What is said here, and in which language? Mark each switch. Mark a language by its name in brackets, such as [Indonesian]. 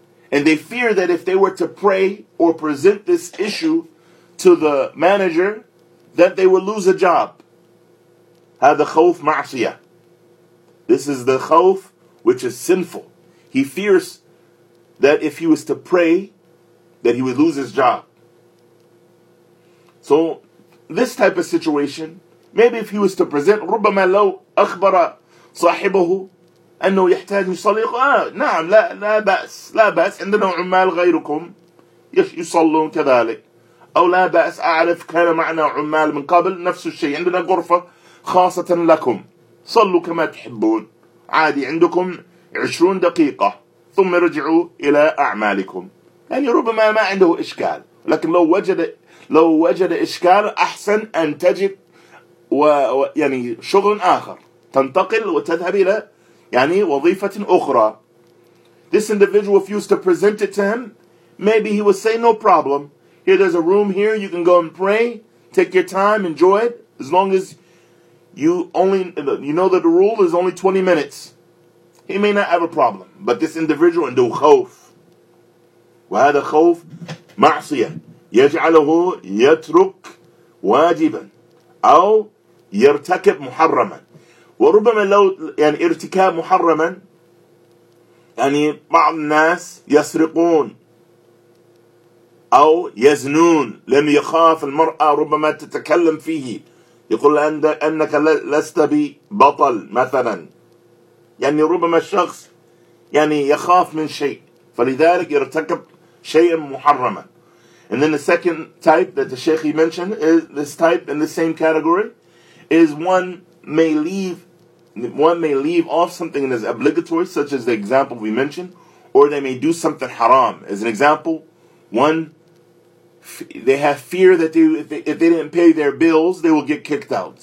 [English] And they fear that if they were to pray or present this issue to the manager, that they would lose a job. [Arabic] هذا خوف معصية. [English] This is the خوف which is sinful. He fears that if he was to pray, that he would lose his job. So, this type of situation, maybe if he was to present, [Arabic] ربما لو أخبر صاحبه أنه يحتاج يصلي نعم لا بأس عندنا عمال غيركم يصلون كذلك أو لا بأس أعرف كان معنا عمال من قبل نفس الشيء عندنا غرفة خاصة لكم صلوا كما تحبون عادي عندكم 20 دقيقة ثم رجعوا إلى أعمالكم. يعني ربما ما عنده إشكال، لكن لو وجد إشكال أحسن أن تجد يعني شغل آخر تنتقل وتذهب إلى يعني وظيفة أخرى. [English] this individual refused to present it to him, maybe he would say, no problem. Here, there's a room here. You can go and pray. Take your time. Enjoy it. As long as you only, you know that the rule is only 20 minutes. He may not have a problem. But this individual, in the khawf, [Arabic] وهذا خوف معصية يجعله يترك واجبا أو يرتكب محرما. وربما لو يعني ارتكاب محرما يعني بعض الناس يسرقون أو يزنون لم يخاف المرأة ربما تتكلم فيه يقول أنك لست ببطل مثلا يعني ربما الشخص يعني يخاف من شيء فلذلك يرتكب شيء محرما. [English] And then the second type that the Sheikh mentioned is this type in the same category is one may leave off something that is obligatory, such as the example we mentioned, or they may do something haram. As an example, one, they have fear that if they didn't pay their bills, they will get kicked out.